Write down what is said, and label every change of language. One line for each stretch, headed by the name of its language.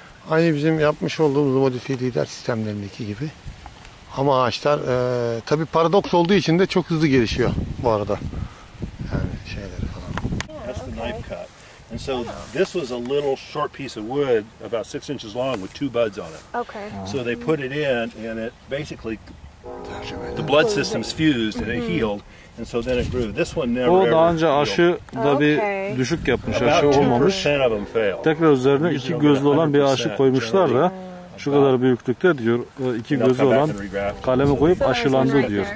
Turkish: Aynı bizim yapmış olduğumuz modifiye lider sistemlerindeki gibi. Ama ağaçlar tabii paradoks olduğu için de çok hızlı gelişiyor bu arada. Yani şeyler falan.
English: That's the knife cut. And so this was a little short piece of wood, about 6 inches long, with 2 buds on it. Okay. So they put it in, and it basically, the blood systems fused, and it healed. And so then it grew. This one never ever healed.
Turkish: O daha önce aşı da bir düşük yapmış, aşı olmamış.
English: About 2% of them failed.
Turkish: Tekrar üzerine iki gözlü olan bir aşı koymuşlar da, şu kadar büyüklükte diyor, iki gözü olan kaleme koyup aşılandı diyor.